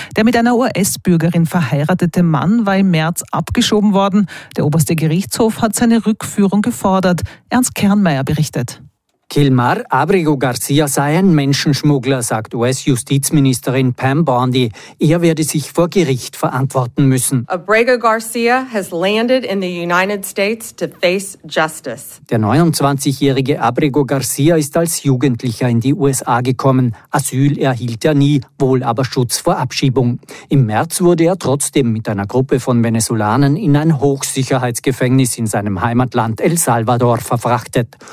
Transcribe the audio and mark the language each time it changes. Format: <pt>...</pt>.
<de>Der mit einer US-Bürgerin verheiratete Mann war im März abgeschoben worden. Der oberste Gerichtshof hat seine Rückführung gefordert. Ernst Kernmeier berichtet. Gilmar Abrego Garcia sei ein Menschenschmuggler, sagt US-Justizministerin Pam Bondi. Er werde sich vor Gericht verantworten müssen.</de> <en>Abrego Garcia has landed in the United States to face justice.</en> <de>Der 29-jährige Abrego Garcia ist als Jugendlicher in die USA gekommen. Asyl erhielt er nie, wohl aber Schutz vor Abschiebung. Im März wurde er trotzdem mit einer Gruppe von Venezolanern in ein Hochsicherheitsgefängnis in seinem Heimatland El Salvador verfrachtet.</de>